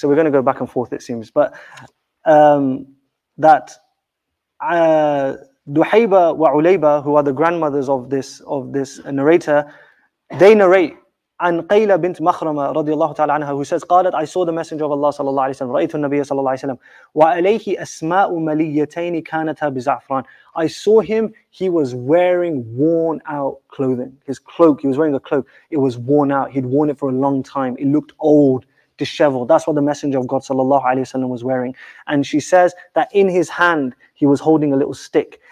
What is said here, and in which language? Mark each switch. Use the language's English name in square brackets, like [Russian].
[English] So we're going to go back and forth, it seems. But that Duhayba wa Ulayba, who are the grandmothers of this narrator, they narrate [Arabic] عن قيلة بنت مخرمة رضي الله تعالى عنها, [English] who says, [Arabic] قالت, [English] I saw the messenger of Allah [Arabic] صلى الله عليه وسلم, رأيت النبي صلى الله عليه وسلم, وعليه أسماء مليتين كانتا بزعفران. [English] I saw him, he was wearing worn out clothing. His cloak, he was wearing a cloak. It was worn out. He'd worn it for a long time. It looked old, disheveled. That's what the messenger of God [Arabic] صلى الله عليه وسلم [English] was wearing. And she says that in his hand, he was holding a little stick.